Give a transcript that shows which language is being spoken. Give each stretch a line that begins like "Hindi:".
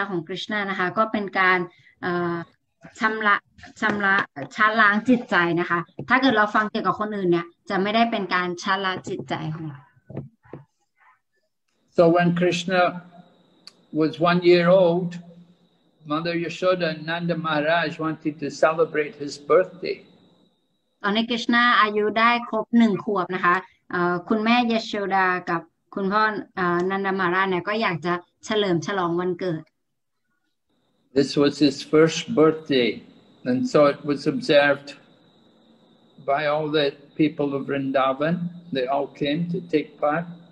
Thai: เพราะฉะนั้นการฟังเกี่ยวกับเรื่องราวของคริชนานะคะก็เป็นการชำระชำระชำระล้างจิตใจนะคะถ้าเกิดเราฟังเกี่ยวกับคนอื่นเนี่ยจะไม่ได้เป็นการชำระจิตใจของเรา
English: So when Krishna was 1 year old, Mother Yashoda and Nanda Maharaj wanted to celebrate his birthday.
Thai: ตอนนี้คริชนาอายุได้ครบหนึ่งขวบนะคะคุณแม่ยโชดากับคุณพ่อนันดามาราเนี่ยก็อยากจะเฉลิมฉลองวันเกิด
English: This was his first birthday, and so it was observed by all the people of Vrindavan. They all came to take part.